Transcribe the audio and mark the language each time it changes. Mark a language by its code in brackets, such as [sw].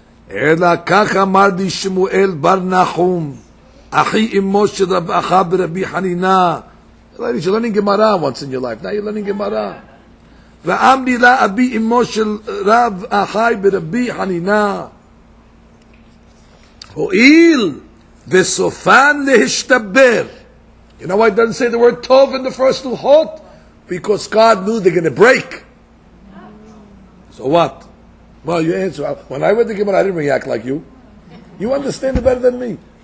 [he] אלא כך אמר לי שמואל בר נחום, אחי אמו של רב אחא ברבי חנינה. [en] You're learning Gemara once in your life. Now you're learning Gemara. [he] ואמרי לה אבי אמו של רב אחאי ברבי חנינה. הועיל וסופן להשתבר. [en] You know why I didn't say the word טוב in the first Luchot? because God knew they're going to break. So what? Well, you answer. When I read the Gemara, I didn't react like you. You understand it better than me.